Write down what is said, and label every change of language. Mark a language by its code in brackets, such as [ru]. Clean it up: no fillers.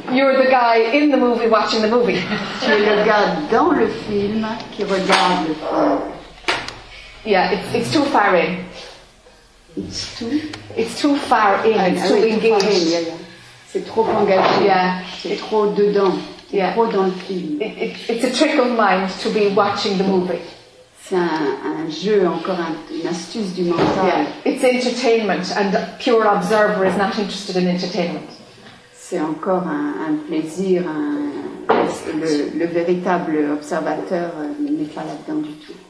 [en] You're the guy in the movie watching the movie. [fr] Tu es le gars dans le film qui regarde le film. [en] Yeah, it's too far in. It's too far in. Yeah. [fr] C'est trop engagé. [en] Yeah. [fr] C'est trop dedans. [en] Yeah. [fr] Trop dans le film. [en] It's a trick of mind to be watching the movie. [fr] C'est un jeu, encore une astuce du mental. [en] Yeah. It's entertainment, and the pure observer is not interested in entertainment. [fr] C'est encore un plaisir. Le véritable observateur n'est pas là-dedans du tout.